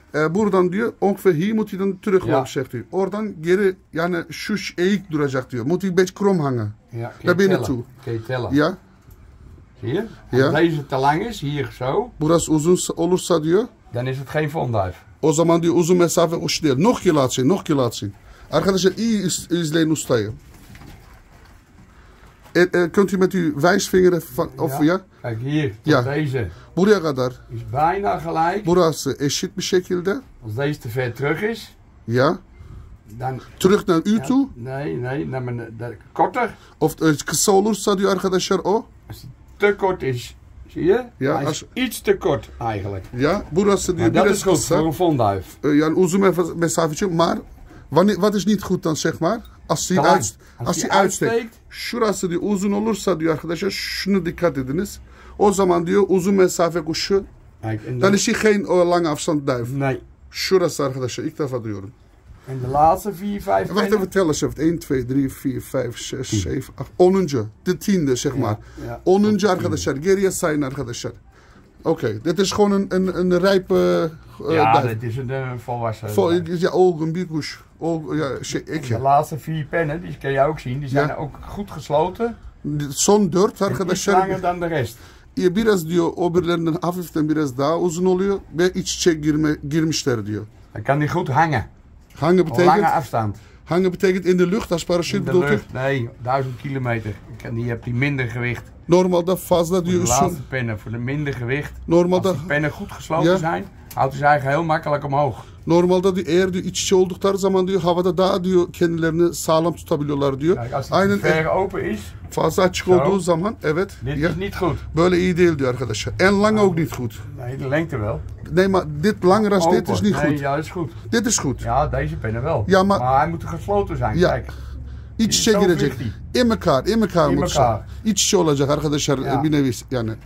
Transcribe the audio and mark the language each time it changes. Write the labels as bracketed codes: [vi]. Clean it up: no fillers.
[tr] Buradan diyor, [nl] ongeveer hier moet hij dan terug lopen, zegt hij. [tr] Oradan geri, yani şu eğik duracak diyor. [nl] Moet hij een beetje krom hangen. Ja, naar binnen toe. Kun je tellen. Ja. Zie je? Ja. Als deze te lang is, hier zo. [tr] Burası uzun olursa diyor. [nl] Dan is het geen fonduif. [tr] O zaman diyor, uzun mesafe uç değil. [nl] Nog keer laat zien, nog keer laat zien. [tr] Arkadaşlar, iyi izleyin ustayı. [nl] Kunt u met uw wijsvinger even, of ja? Kijk hier, tot deze. [tr] Buraya kadar. [nl] Is bijna gelijk. [tr] Burası eşit bir şekilde. [nl] Als deze te ver terug is. Ja. Dan, terug naar u toe. Nee, naar mijn, korter. [tr] Of kısa olursa diyor arkadaşlar o. [nl] Als het te kort is, zie je? Ja. Als iets te kort eigenlijk. [tr] Ja, burası diyor biraz kısa. [nl] Dat is goed voor een fonduif. [tr] Yani uzun mesafeci, [nl] maar wat is niet goed dan zeg maar? Als hij uitsteekt, [tr] şurası diyor, uzun olursa diyor arkadaşlar, şunu dikkat ediniz. O zaman diyor, uzun mesafe kuşu, [nl] dan is hij geen lange afstand duif. Nee. [tr] Şurası arkadaşlar, ilk defa duyuyorum. [nl] En de laatste 4, 5 Wacht even, tel eens even. 1, 2, 3, 4, 5, 6, 7, 8. Onunje, de tiende, zeg maar. Onunje Arkadaşlar. [tr] Geriye sayın arkadaşlar. [nl] Oké, dit is gewoon een rijpe duif. Dit is een volwassen duif. Ja, ogen, bierkoes. Ja, de laatste 4 pennen, die kun je ook zien, die zijn ook goed gesloten. [tr] Son 4, arkadaşlar. [nl] Langer dan de rest. [tr] Je biraz diyor, oberlerinden hafiften biraz daha uzun oluyor ve iç içe girmişler diyor. [nl] Dan kan die goed hangen. Hangen betekent? Lange afstand. Hangen betekent in de lucht als parachute bedoel je? In de lucht, nee, 1000 kilometer. Die heb je minder gewicht. [tr] Normaal dat fazla diyor. [nl] Voor de laatste pennen, voor de minder gewicht. Normaal dat. Als die pennen goed gesloten zijn, houdt hij ze eigenlijk heel makkelijk omhoog. Normaal dat die [tr] eğer iç içe oldukları zaman diyor, havada daha diyor kendilerini sağlam tutabiliyorlar diyor. [nl] Kijk, als het ver open is. [tr] Fazla açık olduğu zaman, evet. [nl] Dit is niet goed. [tr] Böyle iyi değil diyor arkadaşlar. [nl] En lang ook niet goed. Nee, de lengte wel. Nee, maar dit langer als dit is niet goed. Nee, ja, dat is goed. Dit is goed. Ja, deze pennen wel. Ja, maar hij moet gesloten zijn, kijk. [tr] İç içe girecek. [nl] In elkaar moet zijn. [tr] İç içe olacak arkadaşlar, bir nevi yani.